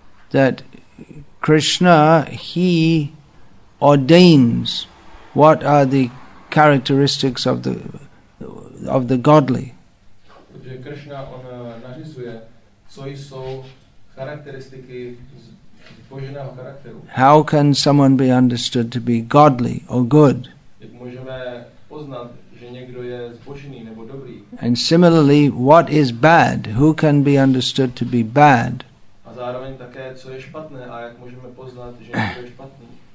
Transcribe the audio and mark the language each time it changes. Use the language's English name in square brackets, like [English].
[English] That Krishna, he ordains what are the characteristics of the godly. [Czech] Krishna, on nařizuje, co jsou charakteristiky božského charakteru. [English] How can someone be understood to be godly or good? [Czech] Jak můžeme poznat, že někdo je zbožný nebo dobrý? [English] And similarly, what is bad? Who can be understood to be bad? [Czech] A zároveň také, co je špatné a jak můžeme poznat, že někdo je špatný?